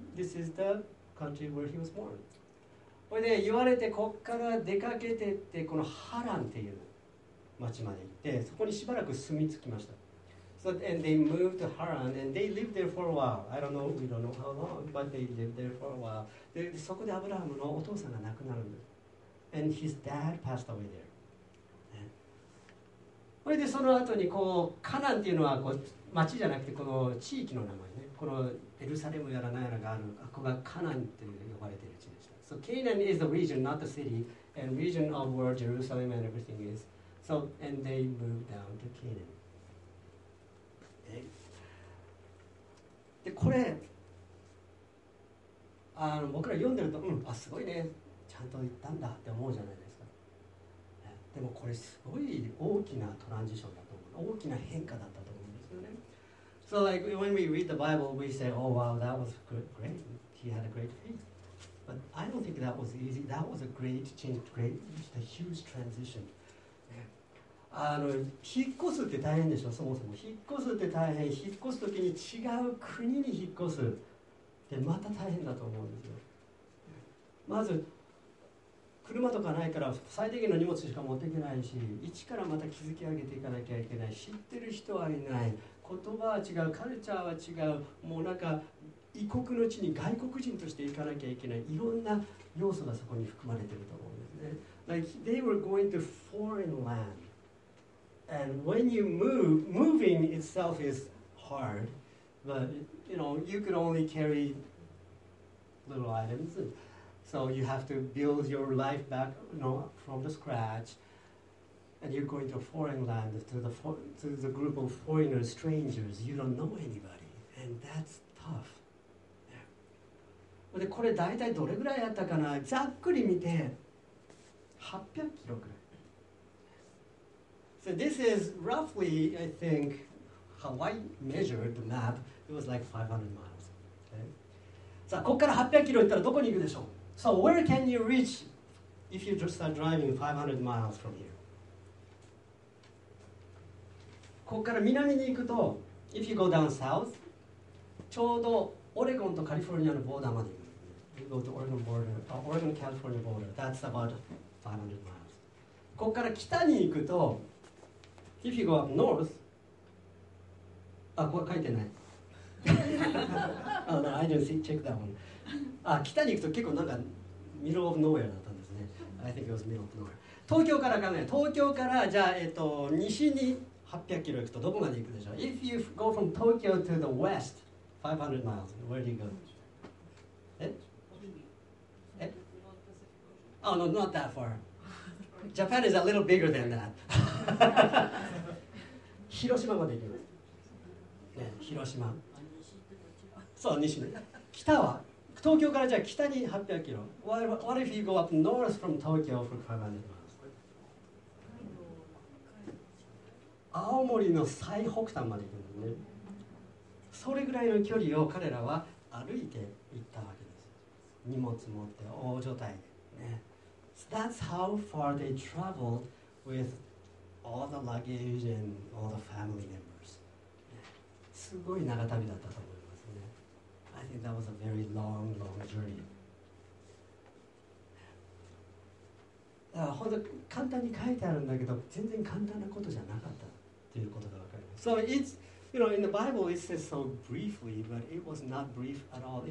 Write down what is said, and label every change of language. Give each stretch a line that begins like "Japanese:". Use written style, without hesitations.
English: This is the country where he was born.
Japanese: これで言われて、こっから出かけてって、このハランっていう町まで行って、そこにしばらく住み着きました。
English: So, and they moved to Haran, and they lived there for a while. I don't know, we don't know how long, but they lived there for a while.
Japanese: で、そこでアブラハムのお父さんが亡くなるんです。
English: And his dad passed away there.
Japanese: それで、その後にこう、カナンっていうのはこう町じゃなくて、この地域の名前ね。このエルサレムやらなんやらがある、ここがカナンって呼ばれている地でした。
English: So, Canaan is the region, not the city, and region of where Jerusalem and everything is. So, So, and they moved down to Canaan.
Japanese: で、これ、あの、僕ら読んでると、うん、あ、すごいね、ちゃんと行ったんだって思うじゃないですか。でもこれすごい大きなトランジションだと思う。大きな変化だったと思うんですよね。
English: So like when we read the Bible, we say, oh wow, that was great. He had a great faith. But I don't think that was easy. That was a great change, great, just a huge transition.
Japanese: あの、引っ越すって大変でしょ、そもそも。引っ越すって大変。引っ越すときに違う国に引っ越すってまた大変だと思うんですよ。まず、車とかないから最低限の荷物しか持っていけないし、一からまた築き上げていかなきゃいけない。知ってる人はいない、言葉は違う、カルチャーは違う、もうなんか異国の地に外国人として行かなきゃいけない、いろんな要素がそこに含まれていると思うんですね。
English: Like they were going to foreign land. And when you move, moving itself is hard. But you know, you could only carry little items. So you have to build your life back, you know, from the scratch, and you're going to a foreign land to the group of foreigners, strangers. You don't know anybody, and that's tough. Yeah.
Japanese: で、これ大体どれぐらいあったかな？ざっくり見て、800キロぐらい。
English: So this is roughly, I think, how I measured the map. It was like 500 miles.
Japanese: Okay. さあ、ここから800キロ行ったらどこに行くでしょう？
English: So where can you reach if you just start driving 500 miles from here?
Japanese: ここから南に行くと、
English: if you go down south,
Japanese: ちょうどオレゴンとカリフォルニアのボーダーまで。
English: You go to Oregon border, Oregon California border. That's about 500 miles.
Japanese: ここから北に行くと、
English: if you go up north,
Japanese: あ、ここ書いてない。
English: Oh, no, I didn't see, check that one.
Japanese: あ、北に行くと結構なんか
English: middle of nowhere
Japanese: だったんですね。
English: I think it was middle of nowhere。
Japanese: 東京から考え、東京からじゃあ、西に800キロ行くとどこまで行くでしょう。
English: If you go from Tokyo to the west, 500 miles, where do you go? え？え？Oh no, not that far. Japan is a little bigger than that.
Japanese: 広島まで行きます。ね、広島。そう、西ね。北は？東京からじゃあ北に800キロ。
English: What if you go up north from Tokyo for 500 miles?
Japanese: 青森の最北端まで行くんだね。それぐらいの距離を彼らは歩いて行ったわけです。荷物持って大所帯で、ね。
English: So、that's how far they traveled with all the luggage and all the family members.、
Japanese: ね、すごい長旅だったと思う。
English: I think that was a very long, long journey.
Japanese: だから本当に簡単に書いてあるんだけど、全然簡単なことじゃなかったということがわかります。
English: So it's, you know, in the Bible it says so briefly, but it was not brief at all.